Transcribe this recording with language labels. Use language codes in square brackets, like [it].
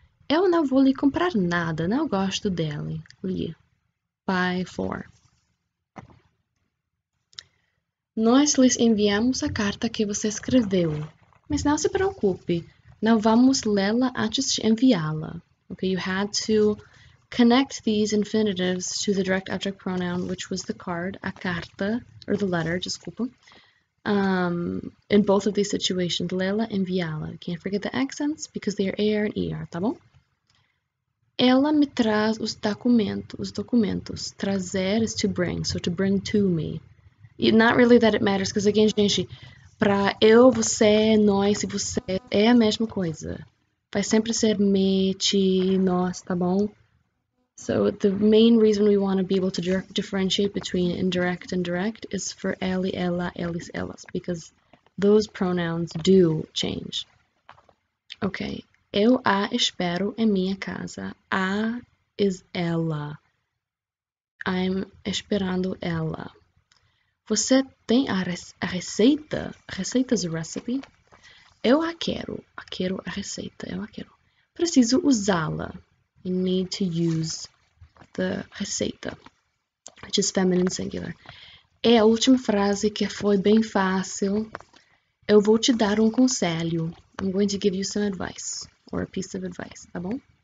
[pt] Eu não vou lhe comprar nada, não gosto dele. Lhe. Pai 4. Nós lhes enviamos a carta que você escreveu. Mas não se preocupe. Não vamos lê-la antes de enviá-la. [en] Okay, you had to connect these infinitives to the direct object pronoun, which was the card, a carta, or the letter, desculpa. In both of these situations, lê-la, enviá-la. Can't forget the accents because they are AR and ER, [pt] tá bom? Ela me traz os documentos. [en] Trazer is to bring, so to bring to me. Not really that it matters, because again, gente. [pt] Para eu, você, nós e você é a mesma coisa. Vai sempre ser me, ti, nós, tá bom? [en] So, the main reason we want to be able to differentiate between indirect and direct is for ele, ela, eles, elas, because those pronouns do change. [pt] Ok. Eu a espero em minha casa. A is ela. I'm esperando ela. Você tem a receita? Receita [en] is a recipe. [pt] Eu a quero. A quero a receita. Eu a quero. Preciso usá-la. [en] You need to use the receita, which is feminine singular. [pt] É a última frase que foi bem fácil. Eu vou te dar um conselho. [en] I'm going to give you some advice, or a piece of advice, [pt] tá bom?